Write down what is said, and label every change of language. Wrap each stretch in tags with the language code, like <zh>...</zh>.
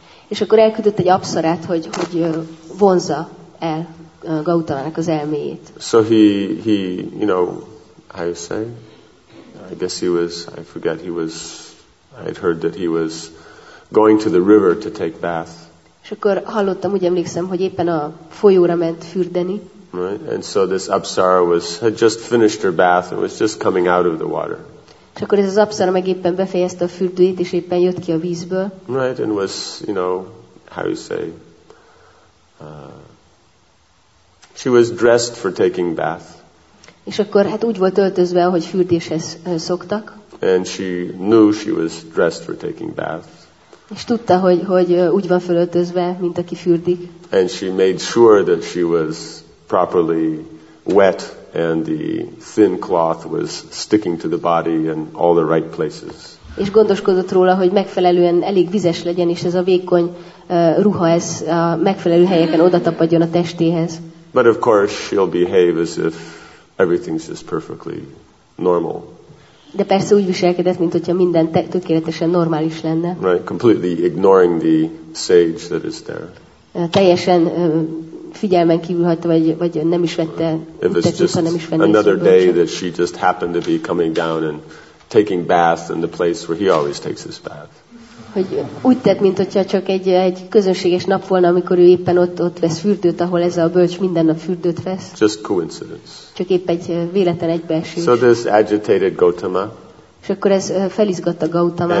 <hu>És akkor elküldött egy apsarát, hogy vonza el Gautamának az elméjét.</hu> <en>So he you know, how you say? I guess he was, I forget, he was, I'd heard that he was going to the river to take bath.</en> <hu>És akkor hallottam, úgy emlékszem, hogy éppen a folyóra ment fürdeni.</hu> <en>Right? And so this apsara had just finished her bath and was just coming out of the water.</en> <hu>És akkor ez az apsara meg éppen befejezte a fürdőjét, és éppen jött ki a vízből.</hu> <en>Right, and was, you know, how you say, she was dressed for taking bath.</en> <hu>És akkor hát úgy volt öltözve, ahogy fürdéshez szoktak.</hu> <en>And she knew she was dressed for taking bath.</en> <hu>És tudta, hogy úgy van fölöltözve, mint aki fürdik.</hu> <en>And she made sure that she was properly wet and the thin cloth was sticking to the body in all the right places.</en> <hu>És gondoskodott róla, hogy megfelelően elég vizes legyen, és ez a vékony ruha ez a megfelelő helyeken odatapadjon a testéhez.</hu> <en>But of course she'll behave as if everything's just perfectly normal.</en> <hu>De persze úgy viselkedett, mint hogyha minden tökéletesen normális lenne.</hu> <en>Right, completely ignoring the sage that is there.</en> <hu>Teljesen figyelmen kívül hagyta, vagy nem is vette, nem is vette.</hu> <en>Another day that she just happened to be coming down and taking bath in the place where he always takes his bath.</en> <hu>Hogy úgy tett, mint hogyha csak egy közönséges nap volna, amikor ő éppen ott vesz fürdőt, ahol ez a bölcs minden nap fürdőt vesz.</hu> <en>Just coincidence.</en> <hu>Csak épp egy véletlen egybeesés.</hu> <en>So this agitated Gautama.</en> <hu>És akkor ez felizgatta Gautamát.</hu>